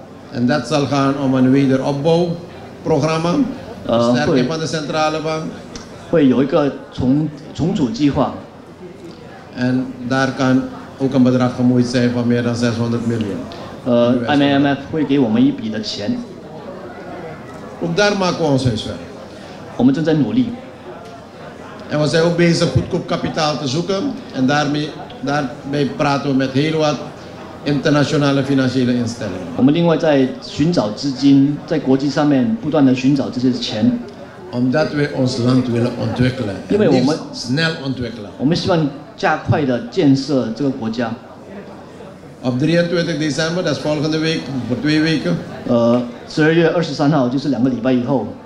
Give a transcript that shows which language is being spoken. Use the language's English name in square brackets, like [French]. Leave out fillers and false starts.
[Dutch] En dat zal gaan om een wederopbouwprogramma, versterking van de centrale bank. [Chinese] 会有一个重组计划. [Dutch] En daar kan ook een bedrag gemoeid zijn van meer dan 600 miljoen. [Chinese] IMF 会给我们一笔的钱. [Dutch] Ook daar maken we ons huiswerk. [Chinese] 我们正在努力. [Dutch] En we zijn ook bezig goedkoop kapitaal te zoeken. En daarmee praten we met heel wat internationale financiële instellingen. [Chinese] 我们另外在寻找资金，在国际上面不断地寻找这些钱. [Dutch] Omdat we ons land willen ontwikkelen. [Chinese] 因为我们 [Dutch] snel ontwikkelen. [Chinese] 我们希望加快地建设这个国家. [Dutch] Op 23 december, dat is volgende week, voor 2 weken. [Chinese] 12月23号，就是两个礼拜以后.